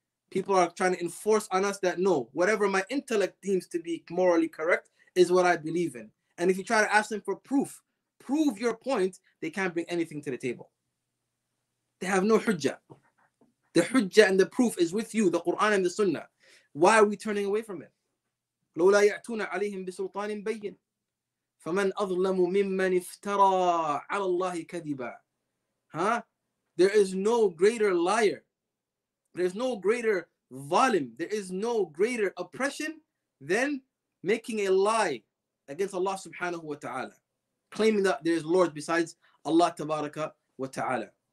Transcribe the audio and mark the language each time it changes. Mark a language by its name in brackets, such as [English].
[English] People are trying to enforce on us that no, whatever my intellect deems to be morally correct is what I believe in. And if you try to ask them for proof, prove your point, they can't bring anything to the table. They have no hujjah. The hujjah and the proof is with you, the Quran and the Sunnah. Why are we turning away from it? [Arabic] لولا يأتون عليهم بسلطان بين فمن أظلم ممن افترى على الله كذبا. [English] There is no greater liar. There is no greater volume. There is no greater oppression than making a lie against Allah subhanahu wa ta'ala, claiming that there is Lord besides Allah tabaraka wa ta'ala.